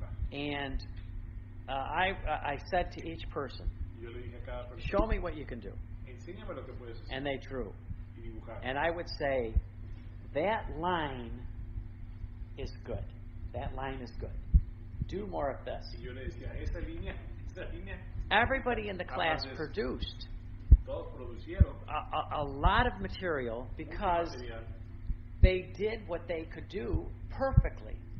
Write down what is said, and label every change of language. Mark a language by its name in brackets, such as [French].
[English] And I said to each person, show me what you can do. [Spanish] Enséñame lo que puedes hacer. [English] And they drew. And I would say, that line is good. That line is good. Do more of this. [Spanish] Y yo le decía, esta línea, esta línea. [English] Everybody in the class produced a lot of material because they did what they could do perfectly.